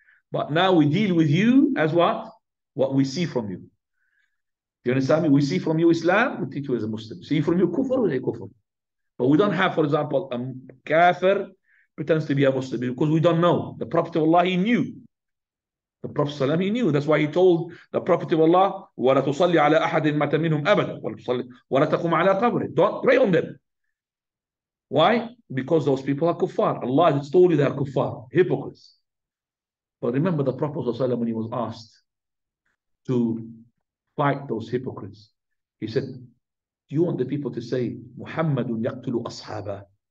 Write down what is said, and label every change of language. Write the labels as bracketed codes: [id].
[en] But now we deal with you as what? What we see from you. Do you understand me? We see from you Islam, we treat you as a Muslim. See from you kufr or kufr. But we don't have, for example, a kafir pretends to be a Muslim because we don't know. The Prophet of Allah, he knew. The Prophet ﷺ, he knew. That's why he told the Prophet of Allah, [ar] وَلَا تُصَلِّ عَلَىٰ أَحَدٍ مَتَ مِنْهُمْ أَبَدًا وَلَا تَقُمْ عَلَىٰ قَبْرٍ. [en] Don't pray on them. Why? Because those people are kuffar. Allah has told you they are kuffar, hypocrites. But remember the Prophet ﷺ, when he was asked to fight those hypocrites, he said, do you want the people to say, [ar] Muhammadun yaqtulu ashaba?